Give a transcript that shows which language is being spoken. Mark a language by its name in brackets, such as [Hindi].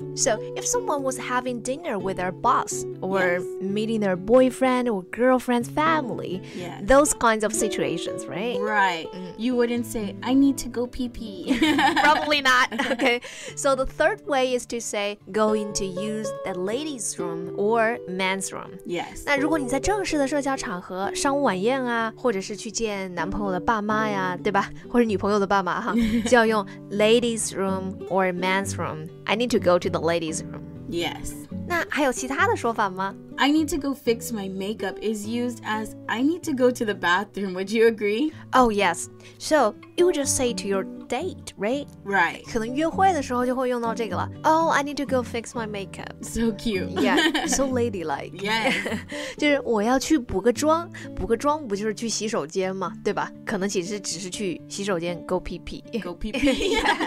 [English] So if someone was having dinner with their boss or meeting their boyfriend or girlfriend's family, those kinds of situations, right? Right. You wouldn't say, I need to go pee-pee. Probably not. Okay, so the third way is to say going to use the ladies' room or men's room. Yes. [Chinese] 那如果你在正式的社交场合，商务晚宴啊，或者是去见男朋友的爸妈呀，对吧？或者女朋友的爸妈哈，就要用 [English] ladies' room or men's room. I need to go to the ladies' room. Yes. [Chinese] 那还有其他的说法吗？ [English] I need to go fix my makeup is used as I need to go to the bathroom. Would you agree? Oh, yes. So, you just say to your date, right? Right. [Chinese] 可能约会的时候就会用到这个了。 [English] Oh, I need to go fix my makeup. So cute. Yeah, so ladylike. Yes. [Chinese] 就是我要去补个妆。补个妆不就是去洗手间吗？对吧？可能其实只是去洗手间 [English] go pee-pee. Go pee-pee.